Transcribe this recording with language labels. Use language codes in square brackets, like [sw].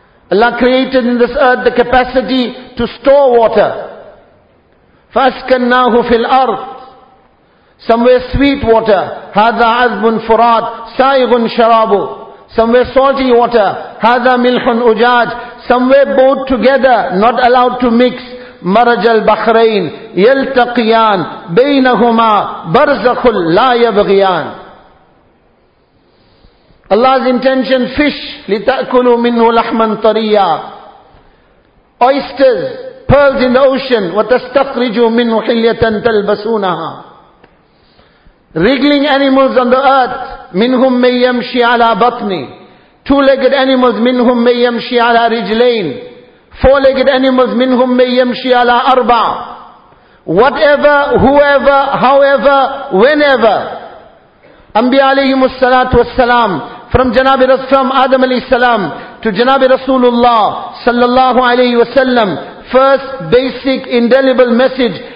[en] Allah created in this earth the capacity to store water. [ar] فَأَسْكَنَّاهُ فِي الْأَرْضِ. [en] Somewhere sweet water. [ar] هَذَا عَذْبٌ فُرَاتٌ سَائِغٌ شَرَابُ. [en] Somewhere salty water. [ar] هَذَا مِلْحٌ أُجَاجٌ. [en] Somewhere both together, not allowed to mix. [ar] مرج البحرين يلتقيان بينهما برزخ لا يبغيان. [en] Allah's intention, fish, [ar] لتأكلوا منه لحما طريا. [en] Oysters, pearls in the ocean, [ar] وتستخرجوا منه حلية تلبسونها. [en] Wriggling animals on the earth, [ar] منهم من يمشي على بطني. [en] Two-legged animals, [ar] منهم من يمشي على رجلين. [en] Four-legged animals, [ar] minhum may yamshi ala arba. [en] Whatever, whoever, however, whenever. [ar] Anbiya alayhi musallatu wassalam. [en] From Adam alayhi salam to Janabi Rasulullah sallallahu alayhi wasallam. First basic indelible message.